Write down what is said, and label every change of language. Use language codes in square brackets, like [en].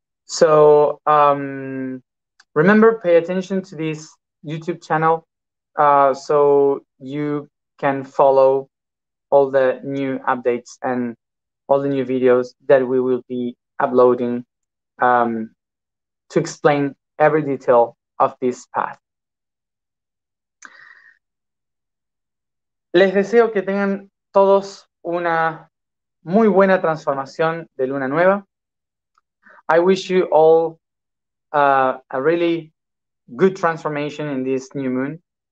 [en] So, remember, pay attention to this YouTube channel so you can follow all the new updates and all the new videos that we will be uploading to explain every detail of this path. [es] Les deseo que tengan todos una muy buena transformación de luna nueva. [en] I wish you all a really good transformation in this new moon.